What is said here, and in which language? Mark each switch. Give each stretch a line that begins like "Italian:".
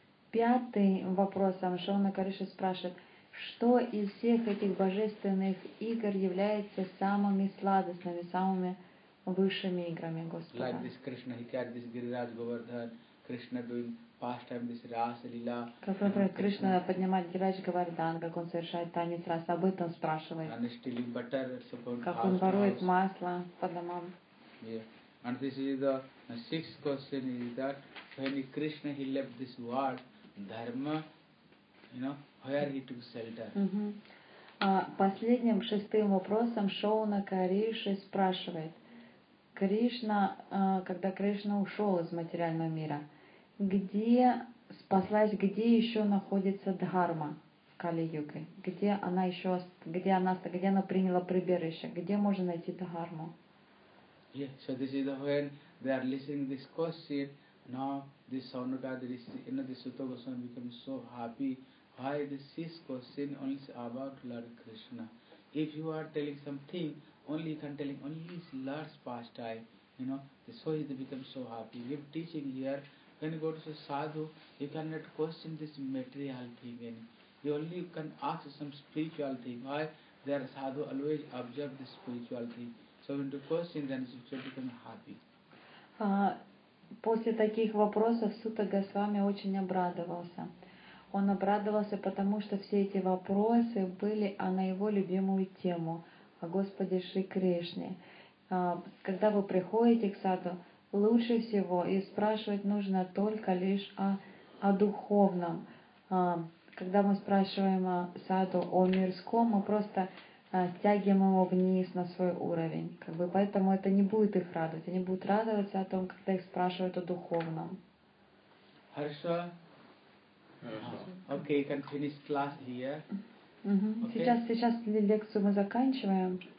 Russian: Пятый вопрос, Шрила Кариша спрашивает. Что из всех этих божественных игр является самыми сладостными, самыми высшими играми Господа?
English: Like this Krishna, he carried this Giriraj Govardhan, Krishna doing pastime this Rasa Lila.
Russian: Как, например, Кришна поднимает Гирираджа Говардхан, как он совершает танец Раса, об этом спрашивает.
English: And stealing butter, support,
Russian: как он ворует масло по домам.
English: Yeah. And this is the sixth question is that when Krishna he left this world, dharma, you know, where he took shelter.
Russian: Последним шестым вопросом Шоуна Кариши спрашивает. Кришна, когда Кришна ушел из материального мира, где спаслась, где еще находится дхарма в Кали-юге? Где она еще, где она приняла прибежище? Где можно найти дхарму?
English: Yeah, so this is the when they are listening to this question, now this Saunaka, this Sutta Goswami becomes so happy. Why the sixth question only is about Lord Krishna? If you are telling something, only you can tell him only his Lord's pastime, you know, so he becomes so happy. We are teaching here, when you go to the sadhu, you cannot question this material thing any. You only can ask some spiritual thing. Why? Their sadhu always observe this spiritual thing. So when you question, then you should become happy.
Russian: После таких вопросов Сута Госвами очень обрадовался. Он обрадовался, потому что все эти вопросы были о его любимую тему, о Господе Шри Кришне. Когда вы приходите к саду, лучше всего и спрашивать нужно только лишь о духовном. Когда мы спрашиваем о саду о мирском, мы просто стягиваем его вниз на свой уровень. Как бы, поэтому это не будет их радовать. Они будут радоваться о том, когда их спрашивают о духовном. Хорошо.
English: Okay, you can finish class here. Okay.
Russian: Сейчас лекцию мы заканчиваем.